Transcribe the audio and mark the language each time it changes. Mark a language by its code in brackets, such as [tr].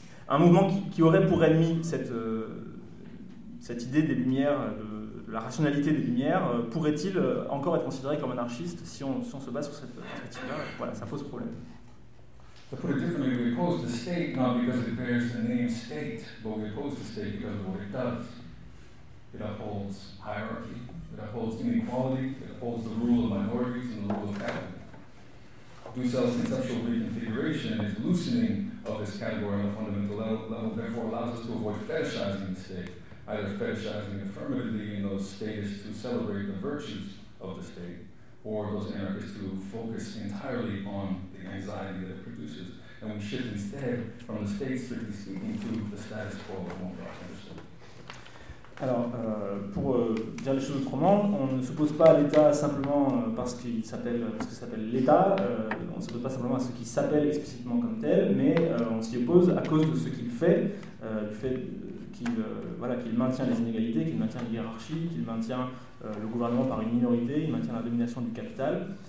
[fr] un mouvement qui aurait pour ennemi cette idée des Lumières, la rationalité des Lumières, pourrait-il encore être considéré comme anarchiste si on se base sur cette perspective-là? Voilà, ça pose problème. [en] To put it differently, we oppose the state not because it bears the name state, but we oppose the state because of what it does. It upholds hierarchy, it upholds inequality, it upholds the rule of minorities and the rule of capital. Dussel's conceptual reconfiguration is loosening of this category on a fundamental level, therefore allows us to avoid fetishizing the state, either fetishizing affirmatively in those statists who celebrate the virtues of the state, or those anarchists who focus entirely on the anxiety that it produces, and we shift instead from the state strictly speaking to the status quo of one block industry. [fr] Alors, pour dire les choses autrement, on ne s'oppose pas à l'État simplement parce qu'il s'appelle l'État, on ne s'oppose pas simplement à ce qui s'appelle explicitement comme tel, mais on s'y oppose à cause de ce qu'il fait, du fait qu'il maintient les inégalités, qu'il maintient la hiérarchie, qu'il maintient le gouvernement par une minorité, il maintient la domination du capital.